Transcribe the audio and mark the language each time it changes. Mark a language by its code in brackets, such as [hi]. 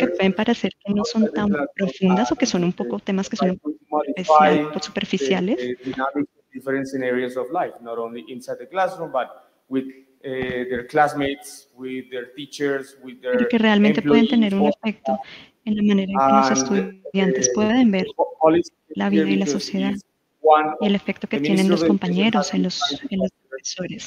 [es] que pueden parecer que no son tan profundas o que son un poco temas que son superficiales. [en] Different scenarios of life, not only inside the classroom, but with their classmates, with their teachers, with their. [es] Pero que realmente pueden tener un efecto en la manera en que los estudiantes pueden ver la vida y la sociedad. Y el efecto que tienen los compañeros en los profesores.